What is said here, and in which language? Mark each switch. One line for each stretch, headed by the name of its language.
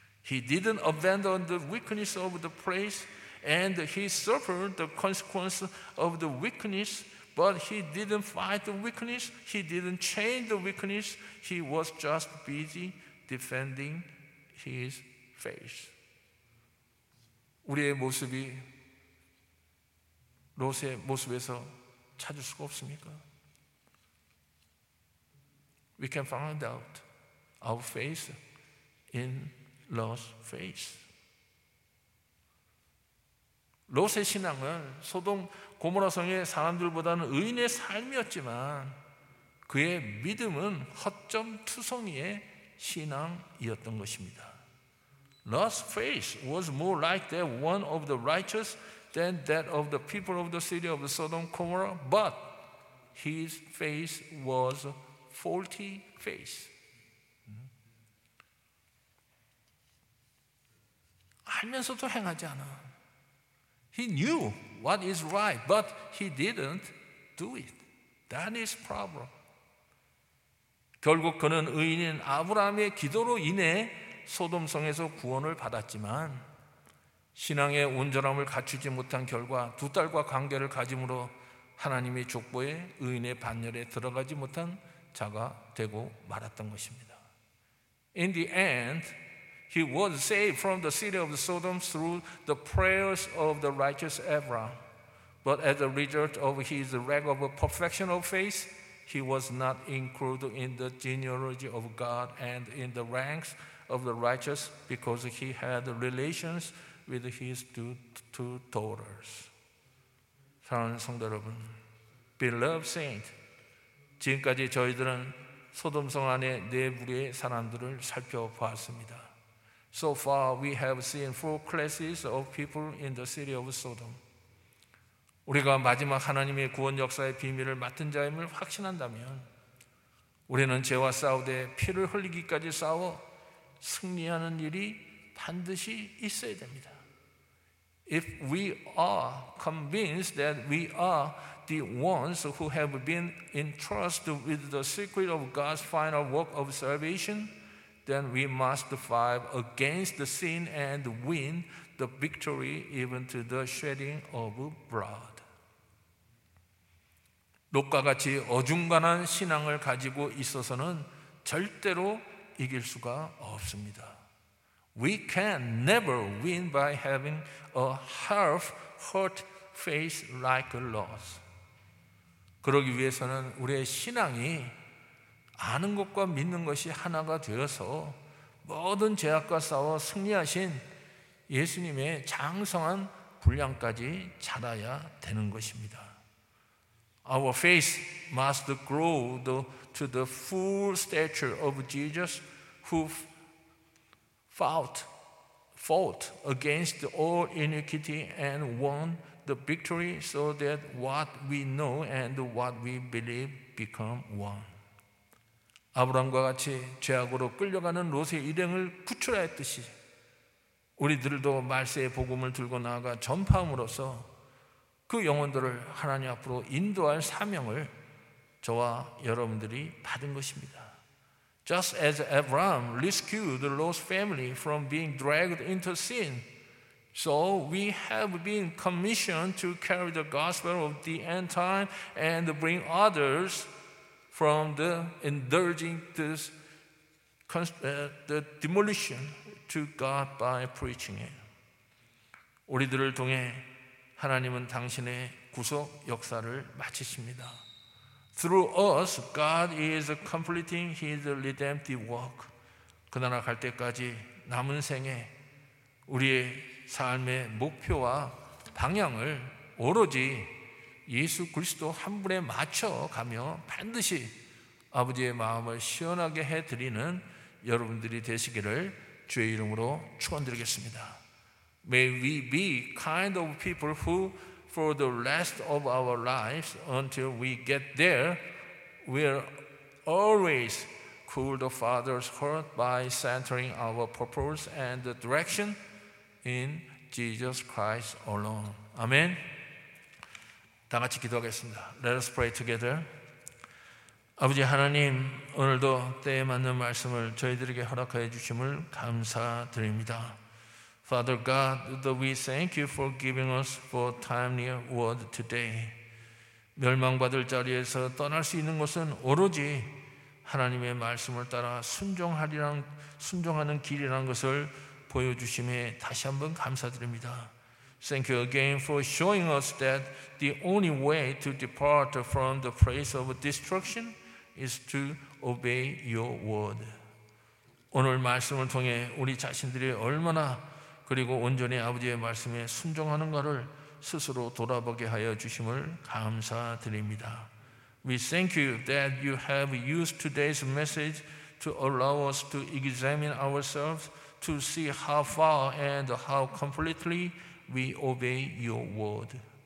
English: He didn't abandon the weakness of the place and he suffered the consequence of the weakness but he didn't fight the weakness, he didn't change the weakness, he was just busy defending his faith.
Korean: 우리의 모습이 롯의 모습에서 찾을 수가 없습니까?
English: We can find out our faith in Lost face.
Korean: 롯의 신앙은 소돔 고모라성의 사람들보다는 의인의 삶이었지만 그의 믿음은 허점투성이의 신앙이었던 것입니다.
English: Lost face was more like that one of the righteous than that of the people of the city of Sodom, Gomorrah, but his face was a faulty face.
Korean: 알면서도 행하지 않아.
English: He knew what is right, but he didn't do it. That is problem.
Korean: 결국 그는 의인인 아브라함의 기도로 인해 소돔성에서 구원을 받았지만 신앙의 온전함을 갖추지 못한 결과 두 딸과 관계를 가짐으로 하나님의 족보에 의인의 반열에 들어가지 못한 자가 되고 말았던 것입니다.
English: In the end, He was saved from the city of Sodom through the prayers of the righteous Abraham. But as a result of his lack of perfection of faith, he was not included in the genealogy of God and in the ranks of the righteous because he had relations with his two daughters.
Korean: 사랑하는 성도 여러분,
English: beloved saint,
Korean: 지금까지 저희들은 소돔성 안에 네 부류의 사람들을 살펴보았습니다.
English: So far, we have seen four classes of people in the city of Sodom.
Korean: 우리가 마지막 하나님의 구원 역사의 비밀을 맡은 자임을 확신한다면 우리는 죄와 싸우되 피를 흘리기까지 싸워 승리하는 일이 반드시 있어야 됩니다.
English: If we are convinced that we are the ones who have been entrusted with the secret of God's final work of salvation, then we must fight against the sin and win the victory even to the shedding of blood.
Korean: 롯과 같이 어중간한 신앙을 가지고 있어서는 절대로 이길 수가 없습니다.
English: We can never win by having a half-hearted faith like Lot.
Korean: 그러기 위해서는 우리의 신앙이 아는 것과 믿는 것이 하나가 되어서 모든 죄악과 싸워 승리하신 예수님의 장성한 분량까지 자라야 되는 것입니다.
English: Our faith must grow to the full stature of Jesus who fought against all iniquity and won the victory so that what we know and what we believe become one.
Korean: 아브라함과 같이 죄악으로 끌려가는 롯의 일행을 구출하였듯이 우리들도 말세의 복음을 들고 나아가 전파함으로써 그 영혼들을 하나님 앞으로 인도할 사명을 저와 여러분들이 받은 것입니다.
English: Just as Abraham rescued the Lot's family from being dragged into sin, so we have been commissioned to carry the gospel of the end time and bring others from the indulging this the demolition to God by preaching it.
Korean: 우리들을 통해 하나님은 당신의 구속 역사를 마치십니다.
English: Through us, God is completing His redemptive work.
Korean: 그 나라 갈 때까지 남은 생에 우리의 삶의 목표와 방향을 오로지 예수 그리스도 한 분에 맞춰 가며 반드시 아버지의 마음을 시원하게 해 드리는 여러분들이 되시기를 주의 이름으로 축원드리겠습니다.
English: May we be kind of people who, for the rest of our lives, until we get there, will always cool the Father's heart by centering our purpose and direction in Jesus Christ alone. Amen.
Korean: 다 같이 기도하겠습니다.
English: Let us pray together.
Korean: 아버지 하나님, 오늘도 때에 맞는 말씀을 저희들에게 허락해 주심을 감사드립니다.
English: Father God, we thank you for giving us for timely word today.
Korean: 멸망받을 자리에서 떠날 수 있는 것은 오로지 하나님의 말씀을 따라 순종하는 길이라는 것을 보여주심에 다시 한번 감사드립니다.
English: Thank you again for showing us that the only way to depart from the place of destruction is to obey your word.
Korean: 오늘 말씀을 통해 우리 자신들이 얼마나 그리고 온전히 아버지의 말씀에 순종하는가를 스스로 돌아보게 하여 주심을 감사드립니다.
English: We thank you that you have used today's message to allow us to examine ourselves to see how far and how completely we obey your word.